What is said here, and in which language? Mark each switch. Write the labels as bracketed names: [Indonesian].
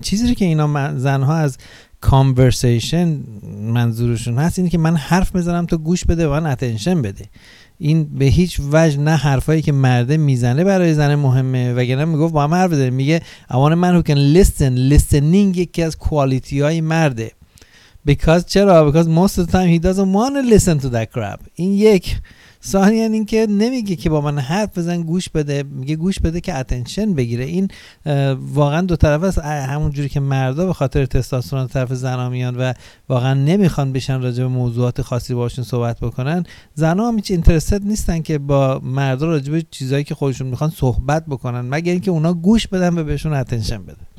[Persian] چیزی که اینا زنها از کانورسیشن منظورشون هست اینه که من حرف بزنم تو گوش بده و من اتنشن بده. این به هیچ وجه نه حرفایی که مرده میزنه برای زن مهمه، وگرنه میگفت با هم حرف بزنه، میگه [English] one man who can listen, [Persian] لیسنینگ یکی از کوالیتی های مرده. [English] Because [Persian] چرا؟ [English] Because most of the time he doesn't want to listen to that crap. [Persian] این یک ثانی. یعنی این که نمیگه که با من حرف بزن گوش بده، میگه گوش بده که اتنشن بگیره. این واقعا دو طرف است. همون جوری که مردا به خاطر تستاسترون طرف زنا میان و واقعا نمیخوان بشن راجع به موضوعات خاصی باشون صحبت بکنن، زنا هم هیچ اینترستد نیستن که با مردا راجع به چیزایی که خودشون میخوان صحبت بکنن، مگر اینکه اونا گوش بدن و بهشون اتنشن بده.